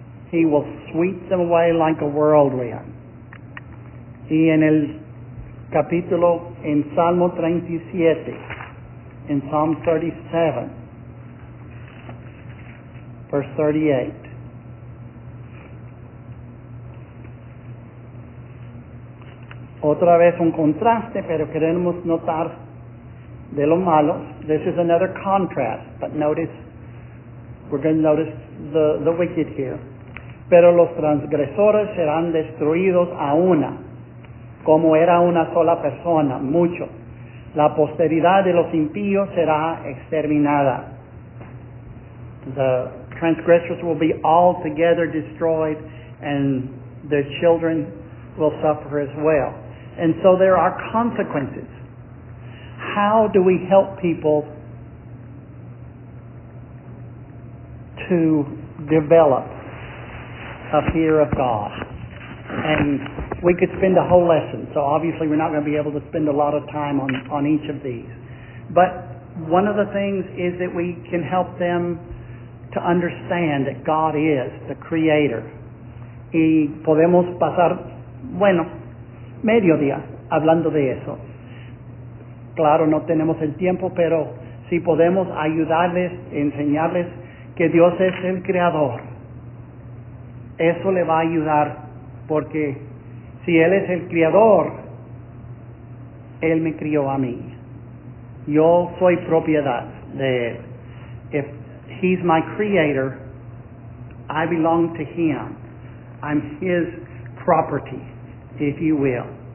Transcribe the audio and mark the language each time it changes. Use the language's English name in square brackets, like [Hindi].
[English] He will sweep them away like a whirlwind. [Spanish] Y en el capítulo, en Salmo 37, en [English] Psalm 37, verse 38. [Spanish] Otra vez un contraste, pero queremos notar de lo malo. [English] This is another contrast, but notice, we're going to notice the wicked here. [Spanish] Pero los transgresores serán destruidos a una. Como era una sola persona, mucho. La posteridad de los impíos será exterminada. [English] The transgressors will be altogether destroyed, and their children will suffer as well. And so there are consequences. How do we help people to develop a fear of God? And we could spend a whole lesson, so obviously we're not going to be able to spend a lot of time on each of these. But one of the things is that we can help them to understand that God is the Creator. [Spanish] Y podemos pasar, bueno, medio día hablando de eso. Claro, no tenemos el tiempo, pero si podemos ayudarles, enseñarles que Dios es el Creador, eso le va a ayudar porque si Él es el Creador, Él me crió a mí. Yo soy propiedad de Él. [English] If He's my Creator, I belong to Him. I'm His property, if you will.